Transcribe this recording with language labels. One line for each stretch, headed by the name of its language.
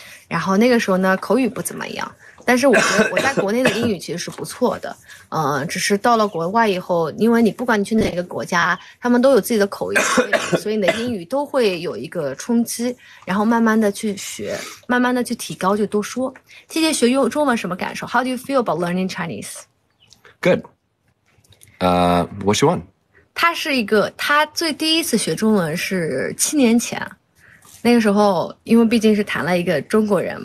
Chinese: 然后那个时候呢，口语不怎么样，但是我觉得我在国内的英语其实是不错的。只是到了国外以后，因为你不管你去哪个国家，他们都有自己的口音，所以你的英语都会有一个冲击，然后慢慢的去学，慢慢的去提高，就多说。 TJ学用中文什么感受 ？
English: How do you feel about learning Chinese? Good. What you want?
Chinese: 他是一个，他最第一次学中文是7年前，那个时候因为毕竟是谈了一个中国人嘛。